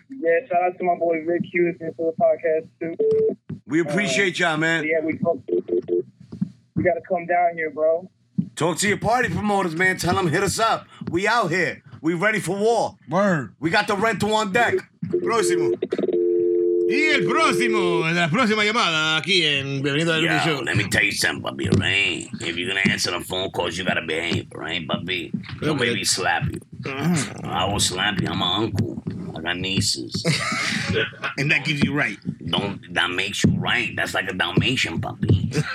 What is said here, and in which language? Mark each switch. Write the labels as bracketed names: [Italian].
[English] Yeah, shout out to my boy Rick Hughes here for the podcast, too. We appreciate y'all, man. Yeah, we got to come down here, bro. Talk to your party promoters, man. Tell them, hit us up. We out here. We ready for war. Word. We got the rental on deck. [Spanish] Próximo. Y el próximo, la próxima llamada aquí en Bienvenido al Show. [English] Let me tell you something, Bubby, right? If you're going to answer the phone calls, you got to behave, right, Bubby? Don't make me slap you. I will slap you. I'm an uncle. I got nieces. And that gives you right. Don't, that makes you right. That's like a Dalmatian puppy.